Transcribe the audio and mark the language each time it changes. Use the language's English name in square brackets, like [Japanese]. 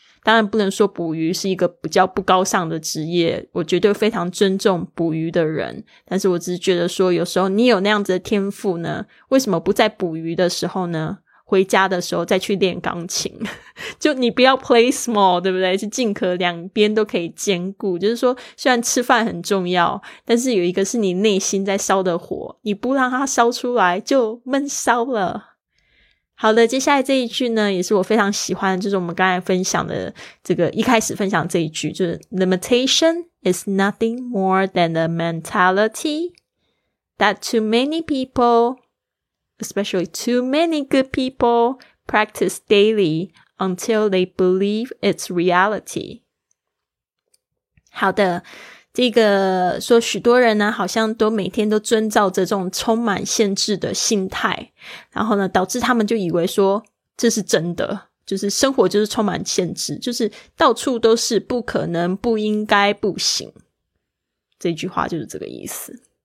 [Chinese] 当然不能说捕鱼是一个比较不高尚的职业，我绝对非常尊重捕鱼的人，但是我只是觉得说有时候你有那样子的天赋呢，为什么不在捕鱼的时候呢回家的时候再去练钢琴。就你不要 play small， 对不对？就尽可两边都可以兼顾，就是说虽然吃饭很重要，但是有一个是你内心在烧的火，你不让它烧出来就闷烧了。好的，接下来这一句呢也是我非常喜欢，就是我们刚才分享的这个一开始分享这一句，就是 [English] Limitation is nothing more than a mentality that too many people, especially too many good people, practice daily until they believe it's reality. [Chinese] 好的，这个说许多人呢好像都每天都遵照着这种充满限制的心态，然后呢导致他们就以为说这是真的，就是生活就是充满限制，就是到处都是不可能、不应该、不行，这句话就是这个意思。